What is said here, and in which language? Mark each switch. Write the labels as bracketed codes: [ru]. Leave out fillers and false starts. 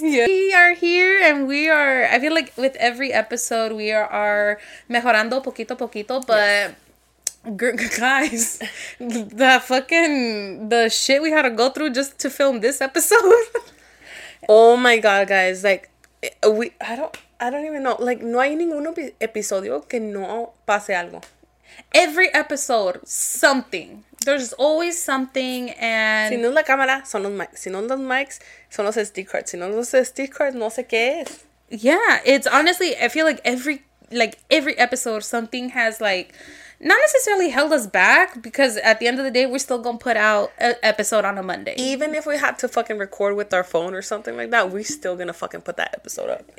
[en] Yeah. We are here, and we are. I feel like with every episode, we are [es] mejorando poquito a poquito. [en] But guys, the shit we had to go through just to film this episode. Oh my god, guys! Like, I don't even know. [es] Like, no hay ningún episodio que no pase algo. [en] Every episode, something. There's always something, and... [es] Si no es la cámara, son los mics. Si no los mics, son los SD cards. Si no los SD cards, no sé qué es. [en] Yeah, it's honestly, I feel like every episode, something has, like, not necessarily held us back, because at the end of the day, we're still going to put out an episode on a Monday. Even if we had to fucking record with our phone or something like that, we're still going to fucking put that episode up.